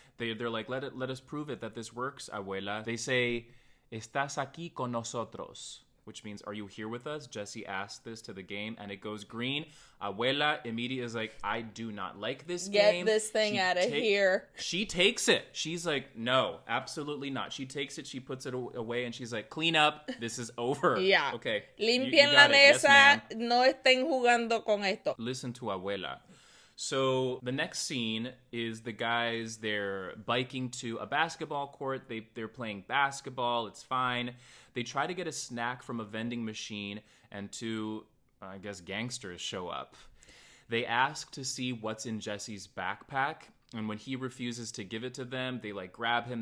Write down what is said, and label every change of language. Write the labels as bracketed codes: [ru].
[en] They're like, let us prove it that this works, abuela. They say, [es] estás aquí con nosotros, [en] which means, are you here with us? Jesse asks this to the game and it goes green. Abuela immediately is like, I do not like this game. Get this thing out of here. She takes it. She's like, no, absolutely not. She takes it. She puts it away and she's like, clean up. This is over. Yeah. Okay. [es] Limpien la mesa. Yes, no estén jugando con esto. [en] Listen to abuela. So the next scene is the guys, they're biking to a basketball court. They're playing basketball. It's fine. They try to get a snack from a vending machine and two gangsters show up. They ask to see what's in Jesse's backpack. And when he refuses to give it to them, they like grab him.